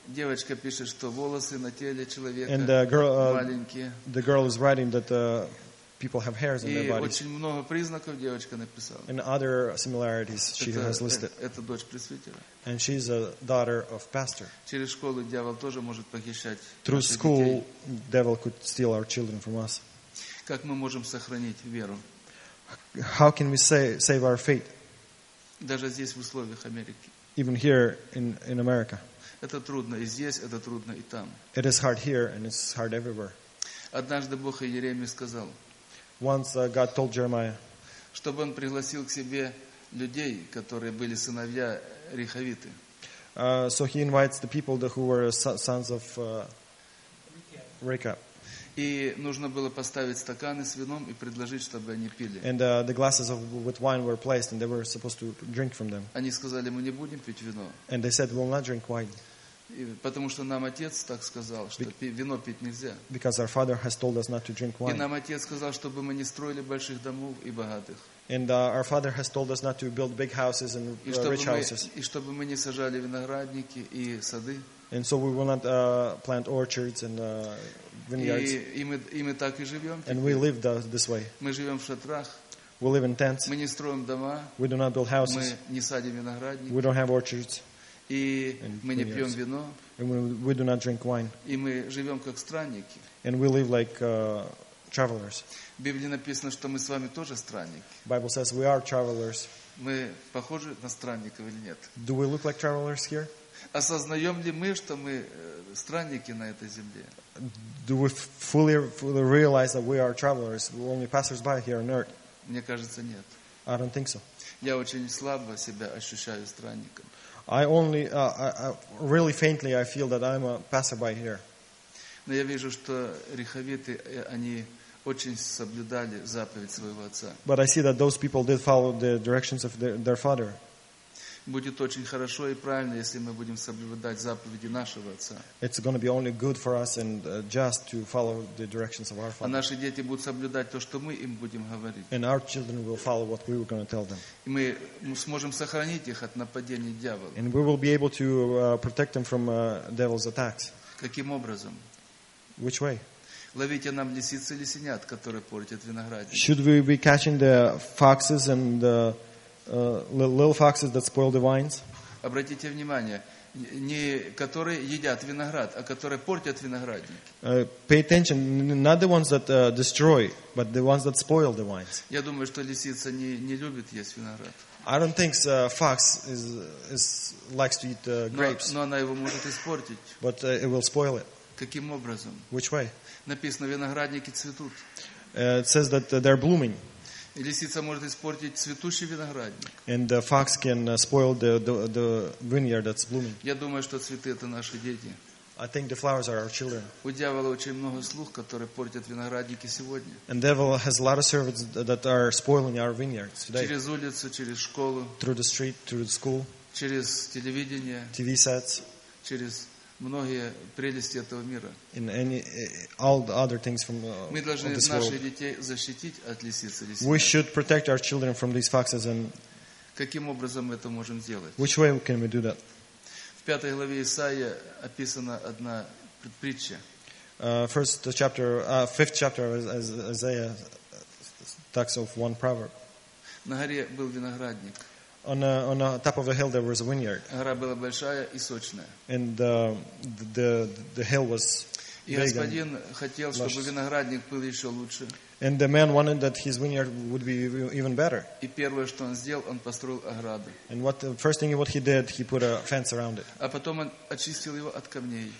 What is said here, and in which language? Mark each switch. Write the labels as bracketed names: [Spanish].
[Russian] Девочка пишет, что волосы на теле человека [English] and the girl, [Russian] маленькие. [English] The girl is writing that people have hairs on their bodies. [Russian] И очень много признаков девочка написала. [English] And other similarities she has listed. [Russian] Это дочь пресвитера. [English] And she's a daughter of pastor. [Russian] Через школу дьявол тоже может похищать наших детей. [English] Through school, [Russian] детей. [English] Devil could steal our children from us. [Russian] Как мы можем сохранить веру? [English] How can we save our faith? [Russian] Даже здесь в условиях Америки. [English] Even here in America. [Russian] Это трудно и здесь, это трудно и там. [English] It is hard here and it's hard everywhere. [Russian] Однажды Бог Иеремии сказал. [English] Once God told Jeremiah. [Russian] Чтобы он пригласил к себе людей, которые были сыновья Рехавиты. [English] So he invites the people who were sons of Rechab. [Russian] И нужно было поставить стаканы с вином и предложить, чтобы они пили. [English] And the glasses with wine were placed and they were supposed to drink from them. [Russian] Они сказали, мы не будем пить вино. [English] And they said, we'll not drink wine. [Russian] И, потому что нам отец так сказал, что вино пить нельзя. [English] Because our father has told us not to drink wine. [Russian] И нам отец сказал, чтобы мы не строили больших домов и богатых. [English] And our father has told us not to build big houses and rich houses. [Russian] И чтобы мы не сажали виноградники и сады. [English] And so we will not plant orchards and vineyards. [Russian] И мы так и живем. [English] And we live this way. [Russian] Мы живем в шатрах. [English] We live in tents. [Russian] Мы не строим дома. [English] We do not build houses. [Russian] Мы не садим виноградники. [English] We don't have orchards. [Russian] И мы не пьем вино. [English] And we do not drink wine. [Russian] И мы живем как странники. [English] And we live like travelers. [Russian] В Библии написано, что мы с вами тоже странники. [English] Bible says we are travelers. [Russian] Мы похожи на странников или нет? [English] Do we look like travelers here? [Russian] Осознаем ли мы, что мы странники на этой земле? [English] Do we fully realize that we are travelers, we're only passers-by here on earth? [Russian] Мне кажется, нет. [English] I don't think so. [Russian] Я очень слабо себя ощущаю странником. [English] I only really faintly I feel that I'm a passerby here. [Russian] Но я вижу, что реховиты, они очень соблюдали заповедь своего отца. [English] But I see that those people did follow the directions of their father. [Russian] Будет очень хорошо и правильно, если мы будем соблюдать заповеди нашего отца. [English] It's going to be only good for us and just to follow the directions of our father. [Russian] А наши дети будут соблюдать то, что мы им будем говорить. [English] And our children will follow what we were going to tell them. [Russian] И мы сможем сохранить их от нападений дьявола. [English] And we will be able to protect them from devil's attacks. [Russian] Каким образом? [English] Which way? [Russian] Ловите нам лисиц или лисенят, которые портят виноградник. [English] Should we be catching the foxes and the little foxes that spoil the vines? [Russian] Обратите внимание, не которые едят виноград, а которые портят виноградник. [English] Pay attention, not the ones that destroy, but the ones that spoil the vines. [Russian] Я думаю, что лисица не любит есть виноград. [English] I don't think a fox is likes to eat grapes. [Russian] Но она его может испортить. [English] But it will spoil it. [Russian] Каким образом? [English] Which way? [Russian] Написано, виноградники цветут. [English] It says that they're blooming. [Russian] Лисица может испортить цветущий виноградник. [English] And the fox can spoil the vineyard that's blooming. [Russian] Я думаю, что цветы это наши дети. [English] I think the flowers are our children. [Russian] У дьявола очень много слуг, которые портят виноградники сегодня. [English] And the devil has a lot of servants that are spoiling our vineyards today. [Russian] Через улицу, через школу. [English] Through the street, through the school. [Russian] Через телевидение. [English] TV sets. [Russian] Через многие прелести этого мира. [English] In any, all the other things from [Russian] мы должны [English] of this [Russian] наших [English] world. [Russian] Детей защитить от лисиц и лисенят. [English] We should protect our children from these foxes and [Russian] каким образом мы это можем сделать? [English] Which way can we do that? [Russian] В пятой главе Исаии описана одна притча. [English] First chapter, fifth chapter of Isaiah talks of one proverb. [Russian] На горе был виноградник. [English] On a top of a hill there was a vineyard. [Russian] Гора была большая и сочная. [English] And the hill was big. [Russian] И господин хотел, чтобы виноградник был еще лучше. [English] And the man wanted that his vineyard would be even better. [Russian] И первое, что он сделал, он построил ограду. [English] And what he did, he put a fence around it. [Russian] А потом он очистил его от камней.